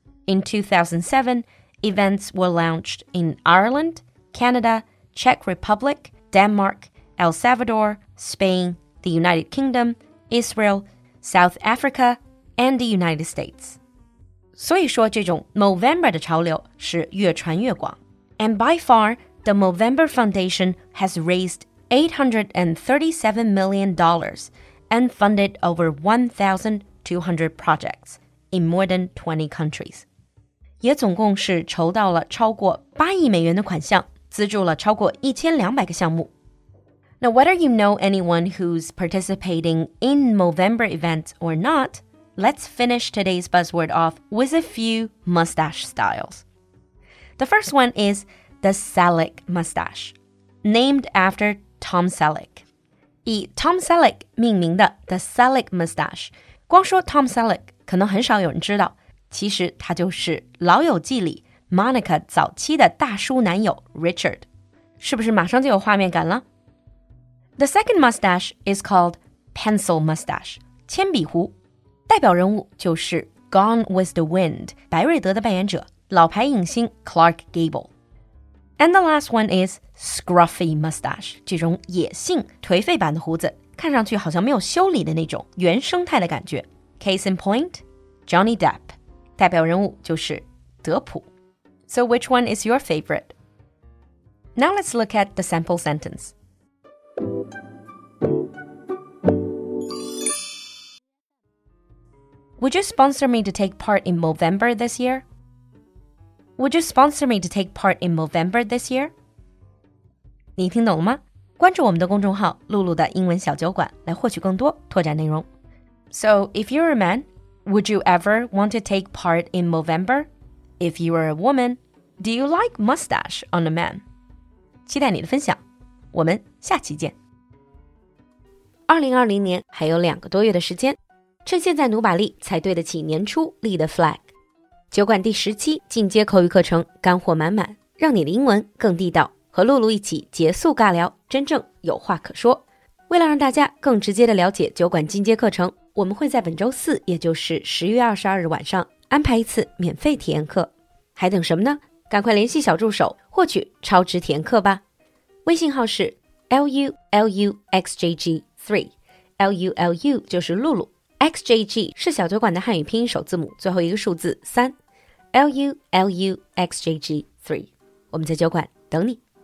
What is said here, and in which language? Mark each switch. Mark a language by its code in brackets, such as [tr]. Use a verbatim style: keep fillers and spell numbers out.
[en] In two thousand seven, events were launched in Ireland, Canada, Czech Republic, Denmark, El Salvador,Spain, the United Kingdom, Israel, South Africa, and the United States. [zh] 所以说这种 Movember 的潮流是越传越广。 [en] And by far, the Movember Foundation has raised eight hundred thirty-seven million dollars and funded over one thousand two hundred projects in more than twenty countries. [zh] 也总共是筹到了超过 eight billion dollars 的款项，资助了超过 twelve hundred 个项目。 [en] Now, whether you know anyone who's participating in Movember events or not, let's finish today's buzzword off with a few mustache styles. The first one is the Selleck mustache, named after Tom Selleck. [zh] 以 Tom Selleck 命名的 the Selleck mustache, 光说 Tom Selleck 可能很少有人知道，其实他就是《老友记》里 Monica 早期的大叔男友 Richard. 是不是马上就有画面感了？ [en] The second mustache is called pencil mustache, 铅笔胡。代表人物就是 Gone with the Wind, 白瑞德的扮演者 [zh] 老牌影星 Clark Gable. And the last one is scruffy mustache, 这种野性颓废版的胡子，看上去好像没有修理的那种原生态的感觉。 [en] Case in point, Johnny Depp. 代表人物就是德普。 So which one is your favorite? Now let's look at the sample sentence. Would you sponsor me to take part in Movember this year? Would you sponsor me to take part in Movember this year? [zh] 你听懂了吗？关注我们的公众号露露的英文小酒馆来获取更多拓展内容。 [en] So, if you're a man, would you ever want to take part in Movember? If you are a woman, do you like mustache on a man? [zh] 期待你的分享，我们下期见。二零二零年还有两个多月的时间，趁现在努把力，才对得起年初立的 flag。酒馆第十期进阶口语课程，干货满满，让你的英文更地道。和露露一起结束尬聊，真正有话可说。为了让大家更直接地了解酒馆进阶课程，我们会在本周四，也就是十月二十二日晚上安排一次免费体验课。还等什么呢？赶快联系小助手获取超值体验课吧。微信号是 L U L U X J G 三 L U L U 就是露露， X J G 是小酒馆的汉语拼音首字母最后一个数字 三 L U L U X J G 三， 我们在酒馆等你。